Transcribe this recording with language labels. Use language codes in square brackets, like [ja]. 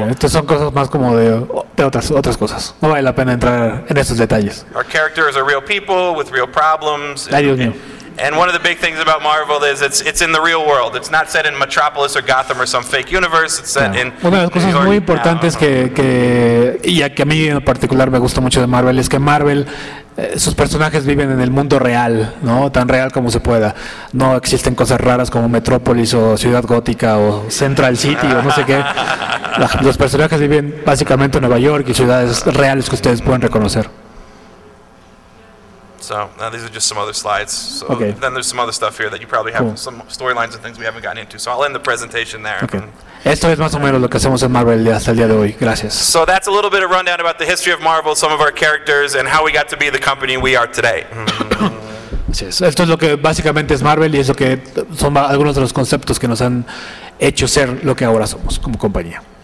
[es] Okay, estas son cosas más como de otras cosas. No vale la pena entrar en esos detalles. [en] Our characters are real people with real problems. And one of the big things about Marvel is it's in the real world. It's not set in Metropolis or Gotham or some fake universe. It's set in. [es] Una de las cosas muy importantes que a mí en particular me gusta mucho de Marvel es que Marvel sus personajes viven en el mundo real, ¿no? Tan real como se pueda. No existen cosas raras como Metrópolis o Ciudad Gótica o Central City o no sé qué. Los personajes viven básicamente en Nueva York y ciudades reales que ustedes pueden reconocer. [en] So, now these are just some other slides. So, okay. Then there's some other stuff here that you probably have cool. Some storylines and things we haven't gotten into. So, I'll end the presentation there. Okay. [es] Esto es más o menos lo que hacemos en Marvel hasta el día de hoy. Gracias. [en] So, that's a little bit of rundown about the history of Marvel, some of our characters, and how we got to be the company we are today. [es] Así es. Esto es lo que básicamente es Marvel y es lo que son algunos de los conceptos que nos han hecho ser lo que ahora somos como compañía.